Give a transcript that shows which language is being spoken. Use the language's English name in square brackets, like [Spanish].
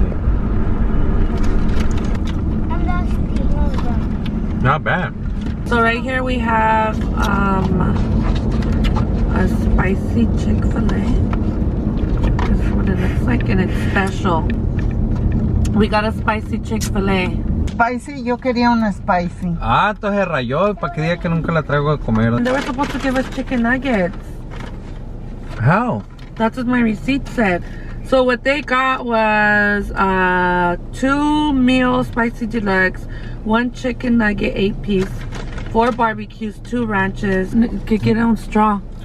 [English] I'm nasty. Not bad. So right here we have a spicy Chick-fil-A. That's what it looks like, and it's special. We got a spicy Chick-fil-A. [Spanish] Spicy, yo quería una spicy. Ah, entonces rayó, para que diga que nunca la traigo a comer. [English] And they were supposed to give us chicken nuggets. How? That's what my receipt said. So what they got was two meal spicy deluxe, one chicken nugget, 8-piece, 4 barbecues, 2 ranches, [Spanish] que quiera un [English] straw.